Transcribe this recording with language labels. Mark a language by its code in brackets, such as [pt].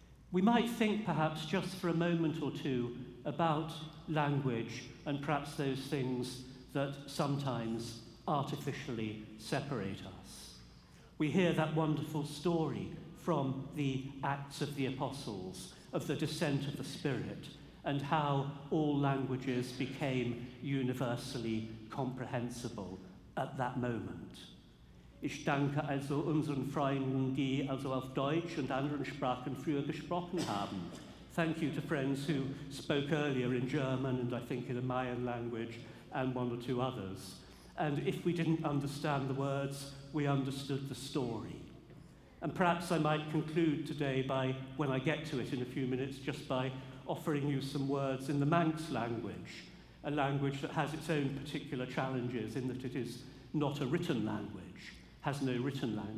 [en] We might think perhaps just for a moment or two about language and perhaps those things that sometimes artificially separate us. We hear that wonderful story from the Acts of the Apostles, of the descent of the Spirit, and how all languages became universally comprehensible at that moment. [de] Ich danke also unseren Freunden, die also auf Deutsch und anderen Sprachen früher gesprochen haben. [en] Thank you to friends who spoke earlier in German and I think in a Mayan language and one or two others. And if we didn't understand the words, we understood the story. And perhaps I might conclude today by, when I get to it in a few minutes, just by offering you some words in the Manx language, a language that has its own particular challenges in that it is not a written language, has no written